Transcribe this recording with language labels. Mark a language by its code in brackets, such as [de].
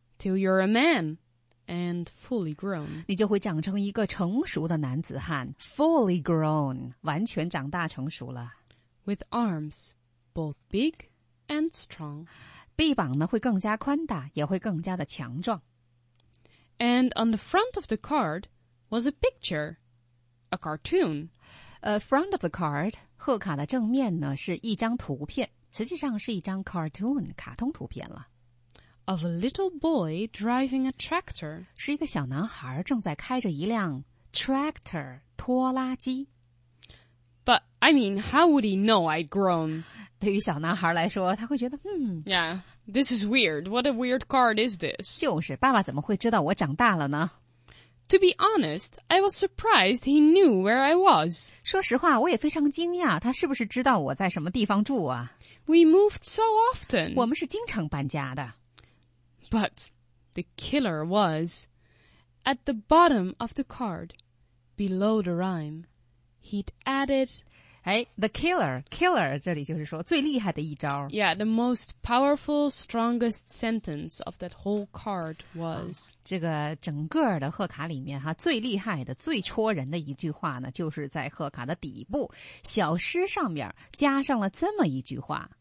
[en] Till you're a man and fully grown. [zh] 你就会长成一个成熟的男子汉。 [en] Fully grown. [zh] 完全长大成熟了。 [en] With arms both big and strong. [zh] 臂膀呢会更加宽大，也会更加的强壮。 [en] And on the front of the card was a picture, a cartoon. Front of the card, [zh] 贺卡的正面呢是一张图片。实际上是一张 cartoon, 卡通图片了。 [en] Of a little boy driving a tractor. [zh] 是一个小男孩正在开着一辆 tractor, 拖拉机。 [en] But, I mean, how would he know I'd grown? [zh] 对于小男孩来说他会觉得 [en] Yeah, this is weird. What a weird card is this? [zh] 就是爸爸怎么会知道我长大了呢? [en] To be honest, I was surprised he knew where I was. [zh] 说实话我也非常惊讶他是不是知道我在什么地方住啊。 [en] We moved so often. [zh] 我们是经常搬家的。 [en] But the killer was at the bottom of the card, below the rhyme. He'd added, "Hey, the killer, killer." [zh] 这里就是说最厉害的一招。 [en] Yeah, the most powerful, strongest sentence of that whole card was. [zh] 这个整个的贺卡里面哈，最厉害的、最戳人的一句话呢，就是在贺卡的底部小诗上面加上了这么一句话。